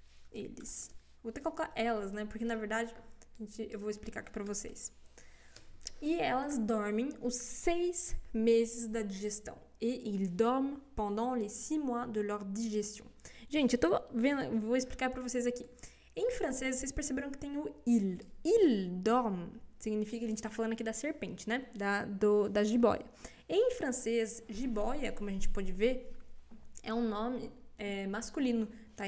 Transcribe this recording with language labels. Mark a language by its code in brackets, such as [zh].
[pt] Eles. Vou até colocar elas, né? Porque na verdade, eu vou explicar aqui para vocês. E elas dormem os 6 meses da digestão. [fr] E ils dorment pendant les 6 mois de leur digestion. [pt] Gente, vou explicar para vocês aqui. Em francês, vocês perceberam que tem o il. Il dorme significa que a gente está falando aqui da serpente, né? Da jiboia. Em francês, jiboia, como a gente pode ver, é um nome masculino, tá?